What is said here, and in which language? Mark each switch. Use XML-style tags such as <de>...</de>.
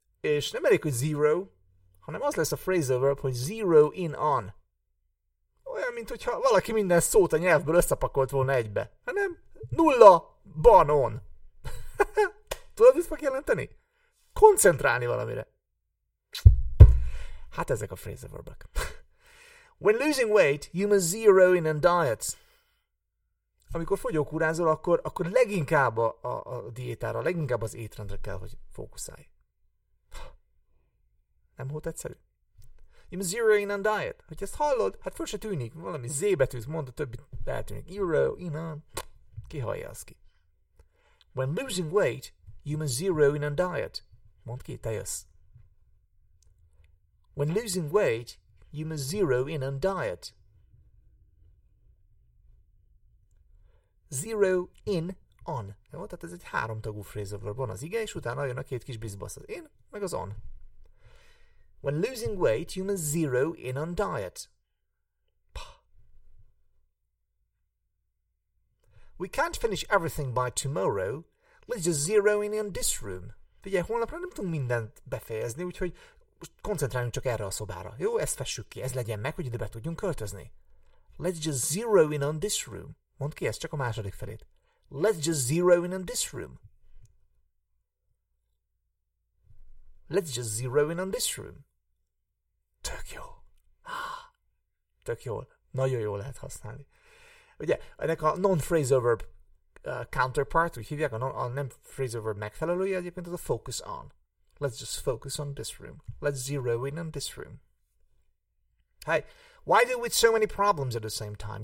<hu>És nem elég, hogy zero, hanem az lesz a phrasal verb, hogy zero in on. Olyan, mint hogyha valaki minden szót a nyelvből összepakolt volna egybe. Hanem nulla banon. Tudod, mit fog jelenteni? Koncentrálni valamire. Hát ezek a phrasal verbek.</hu> <en>When losing weight, you must zero in on diets.</en> <hu>Amikor fogyókúrázol, akkor leginkább a diétára, leginkább az étrendre kell, hogy fókuszálj. Nem volt egyszerű?</hu> <en>You must zero in on diet.</en> <hu>Hogy ezt hallod, hát föl se tűnik. Valami Z betűt mond, a többi eltűnik.</hu> <en>Zero in on.</en> <hu>Ki hallja az ki?</hu> <en>When losing weight, you must zero in on diet.</en> <hu>Mondd ki, te jössz.</hu> <en>When losing weight, you must zero in on diet. Zero in on. Jó?</en> <hu>Tehát ez egy háromtagú phrasal verb. Van az ige, és utána jön a két kis bizbasz. Az in, meg az on.</hu> <en>When losing weight, you must zero in on diet. We can't finish everything by tomorrow. Let's just zero in on this room.</en> <hu>Figyelj, holnapra nem tudunk mindent befejezni, úgyhogy most koncentráljunk csak erre a szobára. Jó, ezt fessük ki, ez legyen meg, hogy ide be tudjunk költözni.</hu> <en>Let's just zero in on this room.</en> <hu>Mondd ki ezt, csak a második felét.</hu> <en>Let's just zero in on this room. Let's just zero in on this room.</en> <hu>Tök jó. Tök jó. Nagyon jó lehet használni. Ugye, ennek a non-phrasal verb counterpart, úgy hívják, a nem phrasal verb megfelelője egyébként az a focus on.</hu> <en>Let's just focus on this room. Let's zero in on this room. Hey, why deal with so many problems at the same time?</en>